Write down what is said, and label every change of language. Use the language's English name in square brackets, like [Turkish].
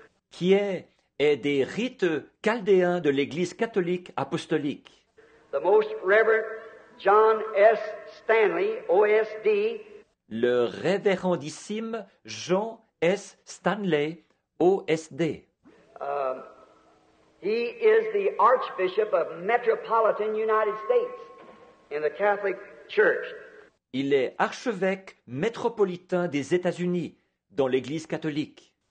[French] Qui est des rites chaldéens de l'Église catholique apostolique. [English] The most reverend John S. Stanley, OSD. [French] Le révérendissime John S. Stanley, OSD. [English] He is the Archbishop of Metropolitan United States in the Catholic Church. [French] Il est archevêque métropolitain des États-Unis dans l'Église catholique.